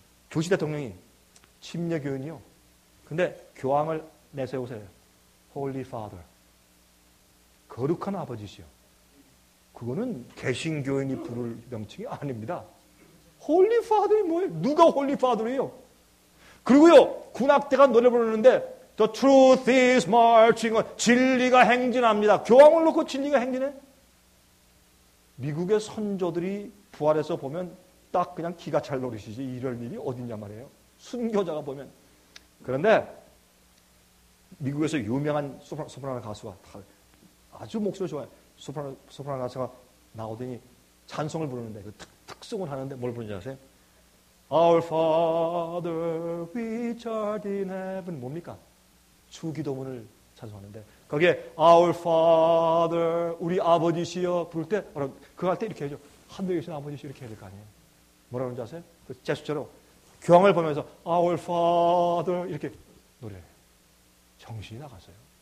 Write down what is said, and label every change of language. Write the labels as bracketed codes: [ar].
[ko] 조시 대통령이 침례교인이요. 근데 교황을 내세우세요. Holy Father. 거룩한 아버지시요. 그거는 개신교인이 부를 명칭이 아닙니다. Holy Father이 뭐예요? 누가 Holy Father이에요? 그리고요, 군악대가 노래 부르는데 [en] The truth is marching on. [ko] 진리가 행진합니다. 교황을 놓고 진리가 행진해? 미국의 선조들이 부활해서 보면 딱 그냥 기가 찰 노릇이지. 이럴 일이 어딨냐 말이에요. 순교자가 보면. 그런데 미국에서 유명한 소프라노 가수가 아주 목소리 좋아요. 소프라노 가수가 나오더니 찬송을 부르는데 그 특성을 하는데 뭘 부르는지 아세요? [en] Our Father which art in heaven [ko] 뭡니까? 주기도문을 찬송하는데 거기에 Our Father 우리 아버지시여 부를 때 그거 할 때 이렇게 해줘. 하늘에 계신 아버지시여 이렇게 해야 될 거 아니에요. 뭐라 그런지 아세요? 그 제스처로 교황을 보면서 Our Father 이렇게 노래해. 정신이 나갔어요.